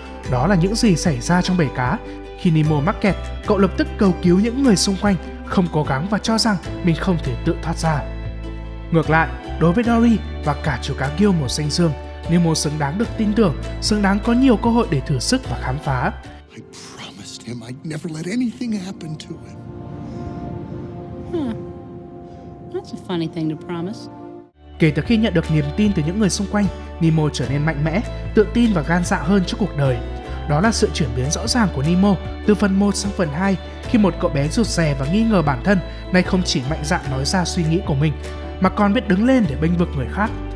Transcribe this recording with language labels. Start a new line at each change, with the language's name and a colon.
Vietnamese: Đó là những gì xảy ra trong bể cá. Khi Nemo mắc kẹt, cậu lập tức cầu cứu những người xung quanh, không cố gắng và cho rằng mình không thể tự thoát ra. Ngược lại, đối với Dory và cả chú cá kêu màu xanh dương, Nemo xứng đáng được tin tưởng, xứng đáng có nhiều cơ hội để thử sức và khám phá.
English: I promised him I'd never let anything happen to him. That's a funny thing to promise.
Vietnamese: Kể từ khi nhận được niềm tin từ những người xung quanh, Nemo trở nên mạnh mẽ, tự tin và gan dạ hơn trước cuộc đời. Đó là sự chuyển biến rõ ràng của Nemo từ phần 1 sang phần 2, khi một cậu bé rụt rè và nghi ngờ bản thân nay không chỉ mạnh dạn nói ra suy nghĩ của mình, mà còn biết đứng lên để bênh vực người khác.